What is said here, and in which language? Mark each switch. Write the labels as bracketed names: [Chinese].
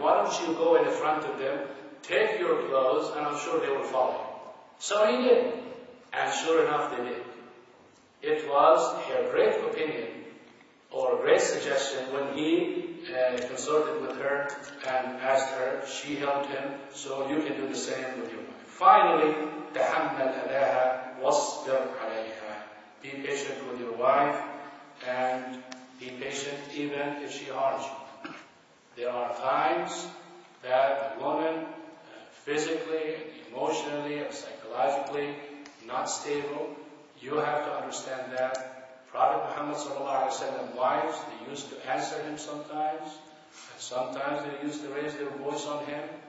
[English] Why don't you go in front of them, take your clothes, and I'm sure they will follow. So he did. And sure enough, they did. It was her great opinion, or great suggestion, when he consulted with her and asked her, she helped him, so you can do the same with your wife. Finally, [Arabic] تحمل أذاها واصبر عليها. [English] Be patient with your wife, and be patient even if she harms you. There are times that a woman, physically, emotionally, and psychologically, not stable. You have to understand that. Prophet Muhammad sallallahu alaihi wasallam, wives, they used to answer him sometimes, and sometimes they used to raise their voice on him.